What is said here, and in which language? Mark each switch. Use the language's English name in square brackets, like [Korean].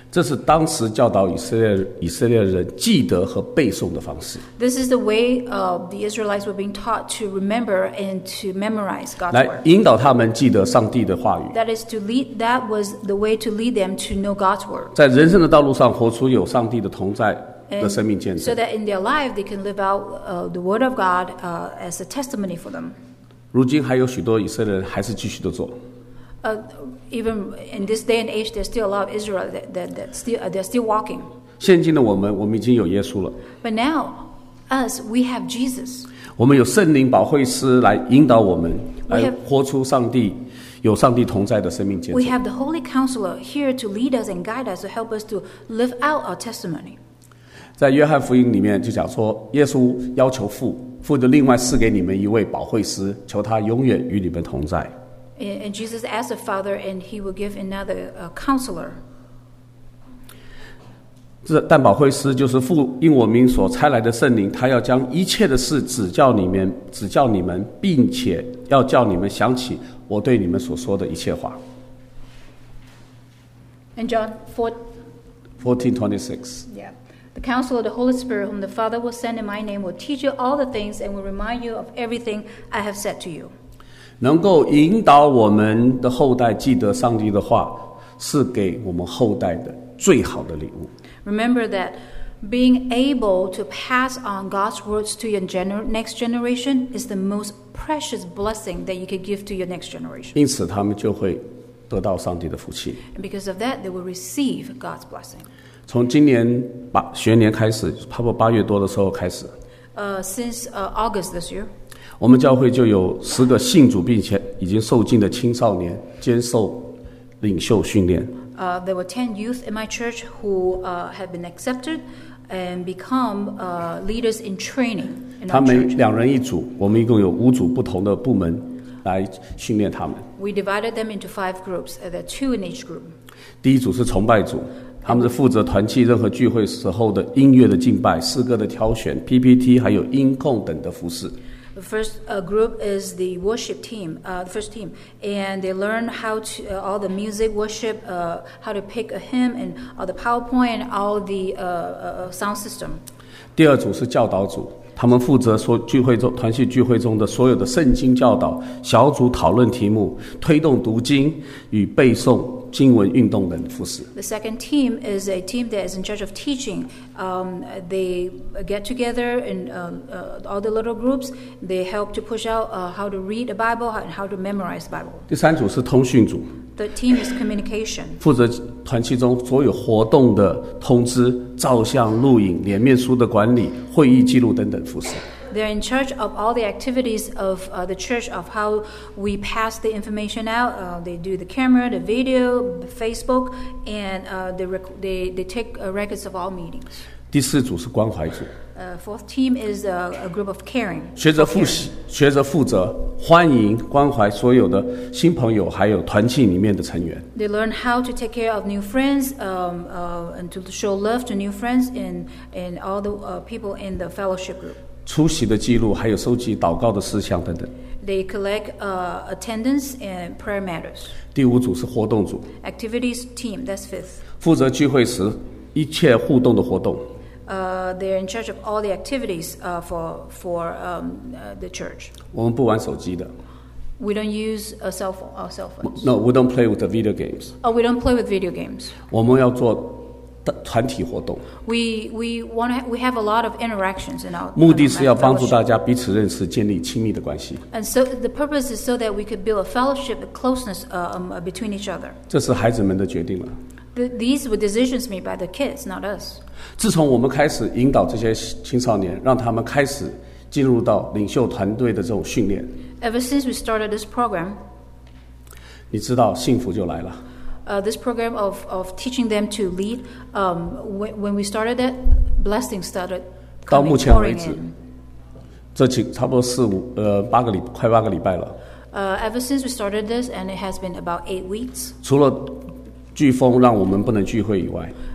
[Chinese] 这是当时教导以色列人记得和背诵的方式。 [English] This is the way the Israelites were being taught to remember and to memorize God's word. [Chinese] 来引导他们记得上帝的话语。 [English] That was the way to lead them to know God's word. [Chinese] 在人生的道路上活出有上帝的同在的生命见证。 [English] So that in their life they can live out the word of God as a testimony for them. [Chinese] 如今还有许多以色列人还是继续的做。 [English] Even in this day and age, there's still a lot of Israel that they're still walking. [Chinese] 现今的我们已经有耶稣了。 [English] But now, us, we have Jesus. [Chinese] 我们有圣灵保惠师来引导我们，来活出上帝有上帝同在的生命见证。 [English] We have the Holy Counselor here to lead us and guide us to help us to live out our testimony. [Chinese] 在约翰福音里面就讲说，耶稣要求父的另外赐给你们一位保惠师，求他永远与你们同在。 [English] And Jesus asked the Father, and He will give another counselor. [Chinese] 这但保惠师就是父应我名所差来的圣灵，他要将一切的事指教你们，并且要叫你们想起我对你们所说的一切话。 [English] And John 14:26. Yeah, the Counselor, the Holy Spirit, whom the Father will send in My name, will teach you all the things and will remind you of everything I have said to you. [Chinese] 能够引导我们的后代记得上帝的话，是给我们后代的最好的礼物。 [English] Remember that being able to pass on God's words to your next generation is the most precious blessing that you can give to your next generation. [Chinese] 因此，他们就会得到上帝的福气。 [English] And because of that, they will receive God's blessing. [Chinese] 从今年学年开始，差不多8月多的时候开始。 [English] Since August this year. [Chinese] 我们教会就有10个信主并且已经受浸的青少年接受领袖训练。 [English] There were 10 youth in my church who have been accepted and become leaders in training. [Chinese] 他们两人一组，我们一共有5组不同的部门来训练他们。 [English] We divided them into 5 groups, there are 2 in each group. [Chinese] 第一组是崇拜组。他们是负责团契任何聚会时候的音乐的敬拜、诗歌的挑选、PPT 还有音控等的服事。 [English] The first group is the worship team, the first team, and they learn how to all the music worship, how to pick a hymn and all the PowerPoint and all the sound system. [Chinese] 第二组是教导组，他们负责说聚会中团契聚会中的所有的圣经教导、小组讨论题目、推动读经与背诵经文运动的服事。 [English] The second team is a team that is in charge of teaching. They get together in all the little groups. They help to push out how to read the Bible and how to memorize the Bible. [Chinese] 第三组是通讯组。 [English] The team is communication. [Chinese] 负责团契中所有活动的通知、照相、录影、脸面书的管理、会议记录等等服事。 [English] They're in charge of all the activities of the church, of how we pass the information out. They do the camera, the video, the Facebook, and they take records of all meetings. [Chinese] 第四组是关怀组。 [English] Fourth team is a group of caring. [Chinese] 学着负责欢迎关怀所有的新朋友还有团契里面的成员。 [English] They learn how to take care of new friends, and to show love to new friends and all the people in the fellowship group. [Chinese] 出席的记录，还有收集祷告的事项等等。 [English] They collect attendance and prayer matters. [Chinese] 第五组是活动组。 [English] Activities team, that's fifth. [Chinese] 负责聚会时一切互动的活动。 [English] They're in charge of all the activities for the church. [Chinese] 我们不玩手机的。 [English] We don't use a cell phone, our cell phones. No, we don't play with the video games. Oh, we don't play with video games. [Chinese] 我们要做。团体活动 [English] we have a lot of interactions in our [Chinese] 目的是要帮助大家彼此认识建立亲密的关系 [English] and so the purpose is so that we could build a fellowship a closeness between each other [Chinese] 这是孩子们的决定了 [English] these were decisions made by the kids not us [Chinese] 自从我们开始引导这些青少年让他们开始进入到领袖团队的这种训练 [English] ever since we started this program [Chinese] 你知道幸福就来了 [English] This program of teaching them to lead, when we started it, blessings started coming, [Chinese] 到目前为止，这几差不多四五八个礼快八个礼拜了。 [English] Ever since we started this, and it has been about 8 weeks. [Chinese] 除了飓风让我们不能聚会以外，